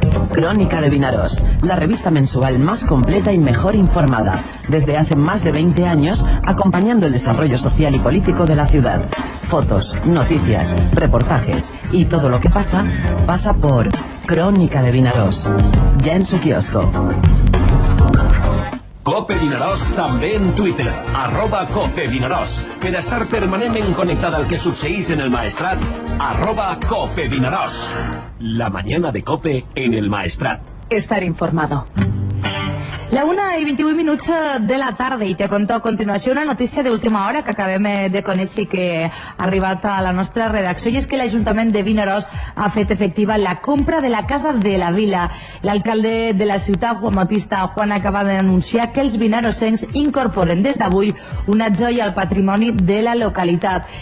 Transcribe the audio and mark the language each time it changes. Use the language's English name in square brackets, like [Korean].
[Spanish] Crónica de Vinaròs, la revista mensual más completa y mejor informada. Desde hace más de 20 años, acompañando el desarrollo social y político de la ciudad. Fotos, noticias, reportajes y todo lo que pasa, pasa por Crónica de Vinaròs. Ya en su kiosco. [Catalan] Cope Vinaròs també en Twitter, @CopeVinaròs. Per estar permanentment connectat al que succeeix en el Maestrat, @CopeVinaròs. [Spanish] La mañana de Cope en el Maestrat. Estar informado. [Catalan] La 1:28 de la tarda, i te conto a continuació una notícia d'última hora que acabem de conèixer i que ha arribat a la nostra redacció, i és que l'Ajuntament de Vinaròs ha fet efectiva la compra de la Casa de la Vila. L'alcalde de la ciutat, Juan Bautista Juan, acaba d'anunciar que els vinarossencs incorporen des d'avui una joia al patrimoni de la localitat.